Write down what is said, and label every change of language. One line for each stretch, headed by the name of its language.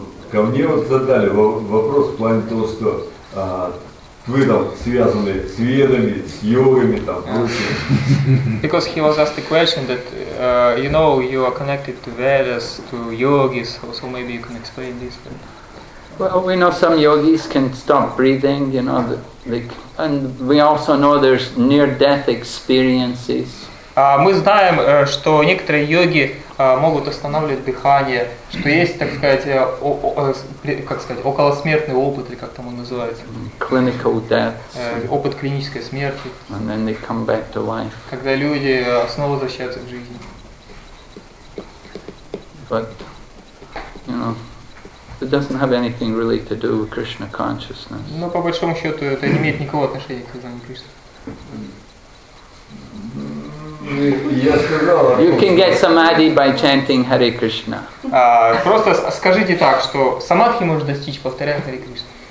Russian: Ко мне вот задали вопрос в плане того, что вы там связаны с ведами, с йогами там.
English: Because he was asked the question that you know, you are connected to Vedas, to yogis, so maybe you can explain this. Well, we know some yogis can stop breathing, you know, and we also know there's near-death experiences.
Russian: Мы знаем, что некоторые йоги могут останавливать дыхание, что есть, так сказать, околосмертный опыт, или как там он называется.
English: Clinical death.
Russian: Опыт клинической смерти.
English: And then they come back to life.
Russian: Когда люди снова возвращаются к жизни.
English: But, you know, it doesn't have anything really to do with Krishna consciousness.
Russian: Но по большому счету это не имеет никакого отношения к сознанию Кришны.
English: You can get samadhi by chanting Hare Krishna.
Russian: Просто скажите так, что самадхи можно достичь, повторяя Hare Krishna.